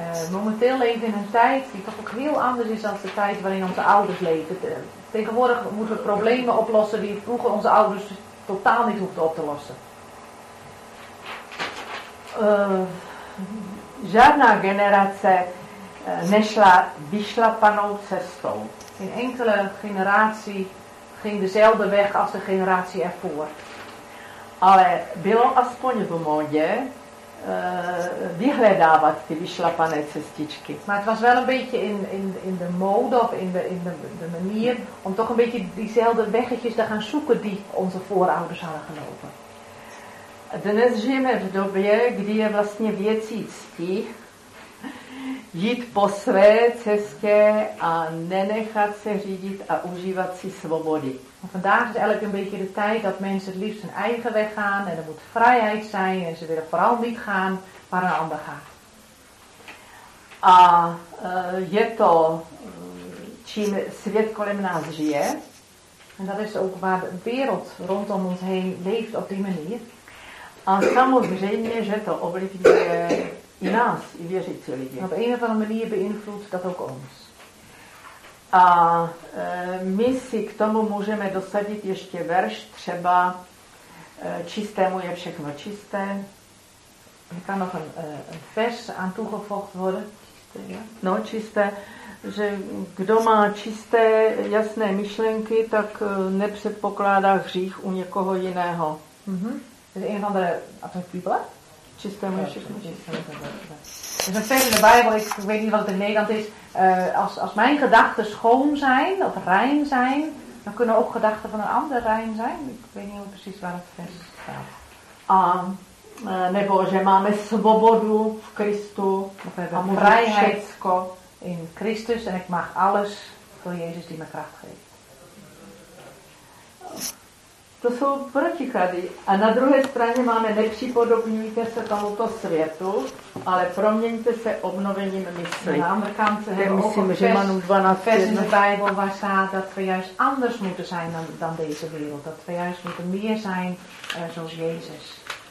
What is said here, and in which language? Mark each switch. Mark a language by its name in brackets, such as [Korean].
[Dutch] Momenteel leven in een tijd die toch ook heel anders is als de tijd waarin onze ouders leven. Tegenwoordig moeten we problemen oplossen die vroeger onze ouders totaal niet hoefden op te lossen. [Czech] Žádná generace nešla vyšlapanou cestou. [Dutch] Geen enkele generatie ging dezelfde weg als de generatie ervoor. [Czech] Ale bylo aspoň v modě vyhledávat ty vyšlapané cestičky. [Dutch] Maar het was wel een beetje in de mode of in de manier om toch een beetje diezelfde weggetjes te gaan zoeken die onze voorouders hadden gelopen. [Czech] Dnes žijeme v době, kdy je vlastně věcí cti jít po své cestě a nenechat se řídit a užívat si svobody. [Dutch] Vandaag is eigenlijk een beetje de tijd dat mensen het liefst hun eigen weg gaan en er moet vrijheid zijn en ze willen vooral niet gaan waar een ander gaat. [Czech] A je to čím svět kolem nás žije. [Dutch] En dat is ook waar de wereld rondom ons heen leeft op die manier. [Czech] A samozřejmě, že to ovlivňuje i nás, i věřící lidi. [Dutch] Op een of andere manier beïnvloedt dat ook ons. [Czech] A my si k tomu můžeme dosadit ještě verš, třeba čistému je všechno čisté. [Dutch] Je kan nog een vers aan toegevoegd worden. [Czech] Čisté, ja? No, čisté. Že kdo má čisté, jasné myšlenky, tak nepředpokládá hřích u někoho jiného. [Dutch] Is een van de, of de Bijbel? [Czech] Čistému je všechno čisté. [Dutch] Er is een vers in de Bijbel, ik weet niet wat het in Nederland is. Als mijn gedachten schoon zijn, of rein zijn, dan kunnen ook gedachten van een ander rein zijn. Ik weet niet hoe precies waar het vers staat. [Czech] Nebo, že máme svobodu v Kristu. [Dutch] Of we hebben vrijheid in Christus en ik mag alles voor Jezus die me kracht geeft. [Czech] To jsou protichady. A na druhé straně máme nepřipodobňujte se tomuto světu, ale proměňte se obnovením mysli. Na Amerikánce je myslím, že má 12. [Dutch] Vers in de Bijbel waar staat dat we juist anders moeten zijn dan deze wereld. Dat we juist moeten meer zijn zoals Jezus.